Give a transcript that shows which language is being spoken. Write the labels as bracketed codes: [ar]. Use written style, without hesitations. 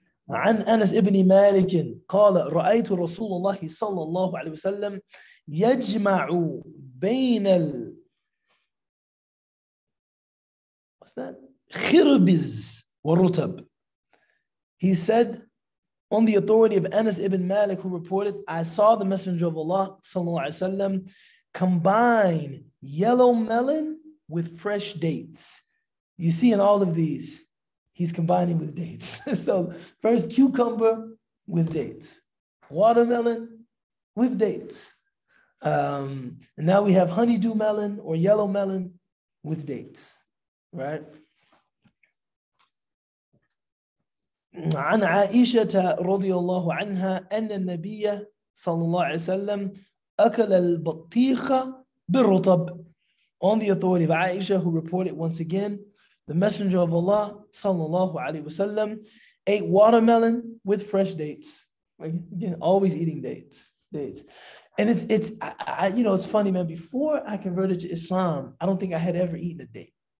[ar] عن أنس ابن مالك قال رأيت رسول الله صلى الله عليه وسلم يجمع بين الخربز والرتب. [en] He said, on the authority of Anas ibn Malik, who reported, I saw the Messenger of Allah [ar] صلى الله عليه وسلم [en] combine yellow melon with fresh dates. You see in all of these, he's combining with dates. So first cucumber with dates, watermelon with dates. And now we have honeydew melon or yellow melon with dates, right? [ar] عن عائشة رضي الله عنها أن النبي صلى الله عليه وسلم أكل البطيخة بالرطب. [en] On the authority of Aisha, who reported once again, the Messenger of Allah, [ar] sallallahu alaihi wasallam, [en] ate watermelon with fresh dates. Again, always eating dates. And it's funny, man. Before I converted to Islam, I don't think I had ever eaten a date.